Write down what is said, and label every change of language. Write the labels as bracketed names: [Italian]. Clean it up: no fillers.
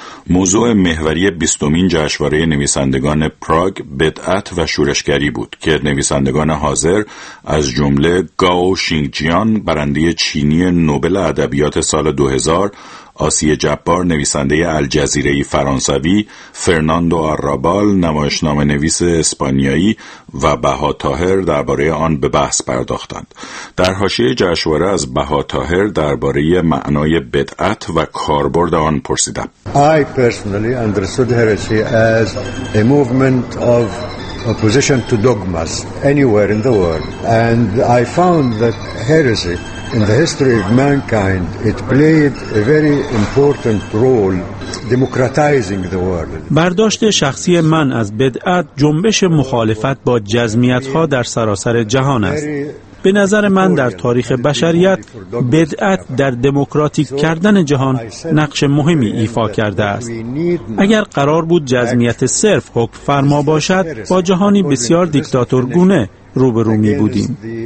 [Persian] موضوع محوری 20 جشنواره نویسندگان پراگ بدعت و شورشگری بود که نویسندگان حاضر از جمله گاو شینگجیان برنده چینی نوبل ادبیات سال 2000، آسیه جبار نویسنده الجزیره فرانسوی، فرناندو آرابال نمایشنامه نویس اسپانیایی و بهاطاهر درباره آن به بحث پرداختند. در حاشیه جشنواره از بهاطاهر درباره معنای بدعت و کاربرد آن پرسیدم. [English] I personally understood heresy as a movement of opposition to dogmas anywhere in the world, and I found that heresy in the history of mankind it played a very important role democratizing the world. [Persian] برداشت شخصی من از بدعت جنبش مخالفت با جزمیت‌ها در سراسر جهان است. به نظر من در تاریخ بشریت بدعت در دموکراتیک کردن جهان نقش مهمی ایفا کرده است. اگر قرار بود جزمیت صرف حکم فرما باشد، با جهانی بسیار دیکتاتورگونه روبرو می بودیم.